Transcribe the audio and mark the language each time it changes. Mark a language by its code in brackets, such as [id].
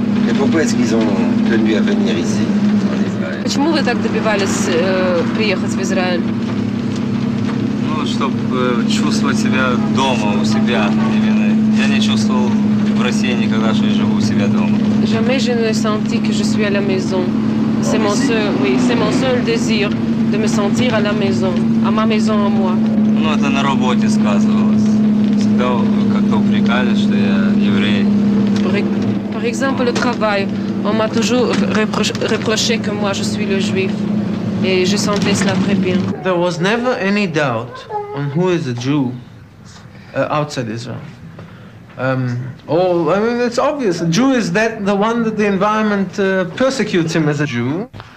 [fr] Et pourquoi est-ce qu'ils ont tenu à venir ici? [ru] Почему вы так добивались приехать в Израиль? Ну, чтобы чувствовать себя дома, у себя именно. Я не чувствовал в России никогда, что я живу у себя дома. [fr] Jamais je ne senti que je suis à la maison. C'est mon seul, oui, c'est mon seul désir de me sentir à la maison, à ma maison, à moi. [ru] Ну, это на работе сказывалось. Всегда как-то упрекали, что я еврей. [fr] Par exemple, le travail. On m'a toujours reproché que moi je suis le juif et je sentais cela très bien. [en] There was never any doubt on who is a Jew outside Israel. It's obvious. A Jew is that the one that the environment persecutes him as a Jew.